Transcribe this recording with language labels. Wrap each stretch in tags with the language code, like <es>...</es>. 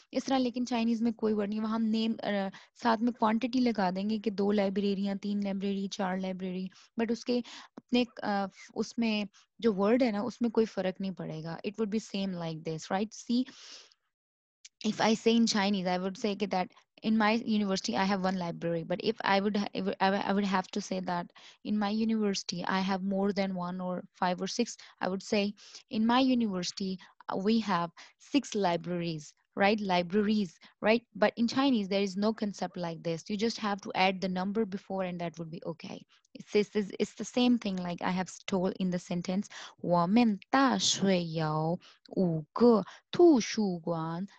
<hi>इस तरह, लेकिन Chinese में कोई word नहीं. वहाँ हम name साथ में quantity लगा देंगे कि 2 library या 3 library, 4 library, but उसके अपने उसमें जो word है ना, उसमें कोई फर्क नहीं पड़ेगा.</hi> <en>It would be same like this, right? See, if I say in Chinese, I would say that in my university, I have 1 library. But if I would have to say that in my university, I have more than 1 or 5 or 6, I would say in my university, we have 6 libraries, right? Libraries, right? But in Chinese, there is no concept like this. You just have to add the number before and that would be okay. It's the same thing like I have told in the sentence.</en> <zh>我们大学有五个图书馆.</zh>